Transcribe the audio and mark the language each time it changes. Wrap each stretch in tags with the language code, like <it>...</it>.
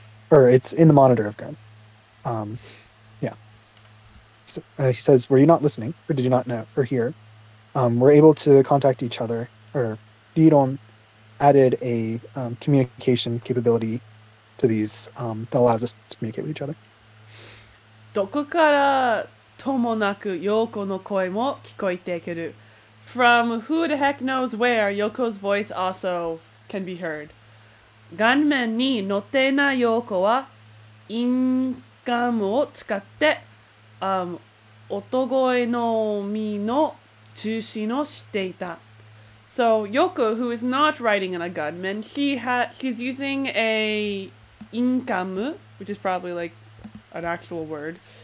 <en>Or it's in the monitor of Gurren. Yeah. So, he says, were you not listening? Or did you not know or hear? We're able to contact each other. Or Biron added a communication capability to these that allows us to communicate with each other.</en> <ja>どこからともなくヨコの声も聞こえてくる。</ja> <en>From who the heck knows where, Yoko's voice also can be heard.</en> <ja>顔面に乗ってないヨコはインカムを使って音声のみの中心をしていた。</ja> <en>So Yoko, who is not riding in a gunman, she's using a inkamu, which is probably like an actual word.</en>